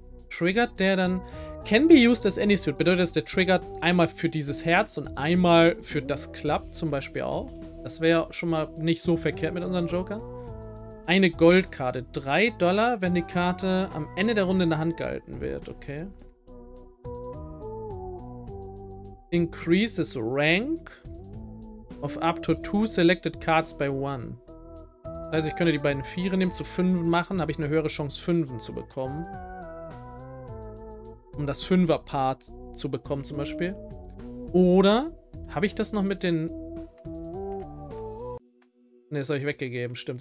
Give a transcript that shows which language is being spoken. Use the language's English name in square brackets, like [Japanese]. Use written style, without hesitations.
[German] Triggert der dann. [English] Can be used as any suit. [German] Bedeutet das, der triggert einmal für dieses Herz und einmal für das Club zum Beispiel auch. Das wäre schon mal nicht so verkehrt mit unseren Jokern. Eine Goldkarte. $3, wenn die Karte am Ende der Runde in der Hand gehalten wird. Okay. [English] Increases Rank. Of up to two selected cards by one. [German] Das heißt, ich könnte die beiden Viere nehmen, zu Fünfen machen, habe ich eine höhere Chance, Fünfen zu bekommen. Um das Fünferpaar zu bekommen, zum Beispiel. Oder habe ich das noch mit den. Ne, das habe ich weggegeben, stimmt.